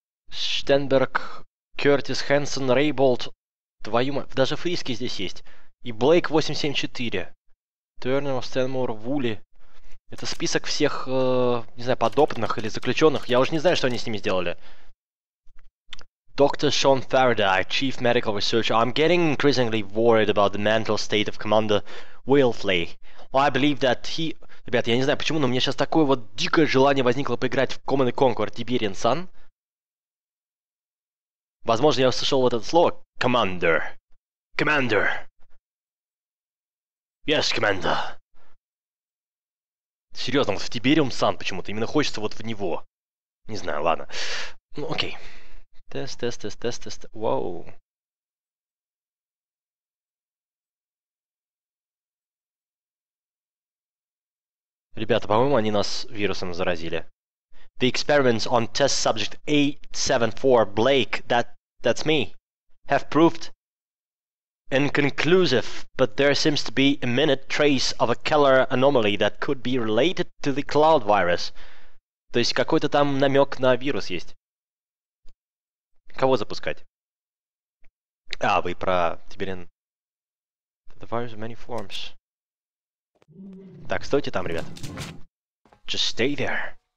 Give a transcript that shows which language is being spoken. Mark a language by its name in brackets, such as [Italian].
[Russian] Штенберг, Кёртис, Хэнсон, Рейболт. Твою мать, даже Фриски здесь есть. И Блейк 874. Тернер, Стэнмор, Вули. Это список всех, не знаю, подопытных или заключенных. Я уже не знаю, что они с ними сделали. [English] Доктор Шон Фарадай, Chief Medical Researcher. I'm getting increasingly worried about the mental state of Commander Wilfley. I believe that he... [Russian] Ребята, я не знаю почему, но у меня сейчас такое вот дикое желание возникло поиграть в Command & Conquer Tiberian Sun. Возможно, я услышал вот это слово. [English] Commander. Commander. Yes, Commander. [Russian] Серьезно, вот в Tiberium Sun почему-то. Именно хочется вот в него. Не знаю, ладно. Ну, окей. Тест, тест, тест, тест, тест. Вау. Ребята, по-моему, они нас вирусом заразили. [English] The experiments on test subject 874 Blake, that's me, have proved inconclusive, but there seems to be a minute trace of a color anomaly that could be related to the cloud virus. [Russian] То есть какой-то там намек на вирус есть. Кого запускать? А, вы про Tiberian. [English] The virus of many forms. [Russian] Так, стойте там, ребят. [English] Just stay there.